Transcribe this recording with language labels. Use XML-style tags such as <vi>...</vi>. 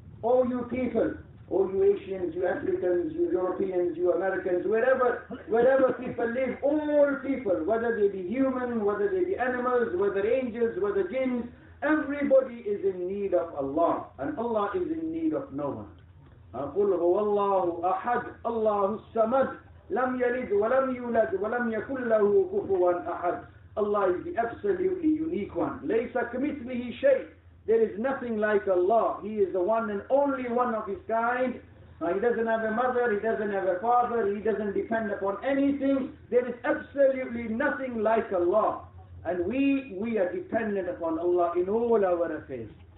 <en>All you people, all you Asians, you Africans, you Europeans, you Americans, wherever people live, all people, whether they be human, whether they be animals, whether angels, whether jinns, everybody is in need of Allah, and Allah is in need of no one.</en> <ar>أقول هو الله أحد الله السمد لم يلد ولم يولد ولم يكن له كفوا أحد.</ar> <en>Allah is the absolutely unique one.</en> <ar>ليس كمثله شيء.</ar> <en>There is nothing like Allah. He is the one and only one of His kind. He doesn't have a mother. He doesn't have a father. He doesn't depend upon anything. There is absolutely nothing like Allah. And we are dependent upon Allah in all our affairs.</en>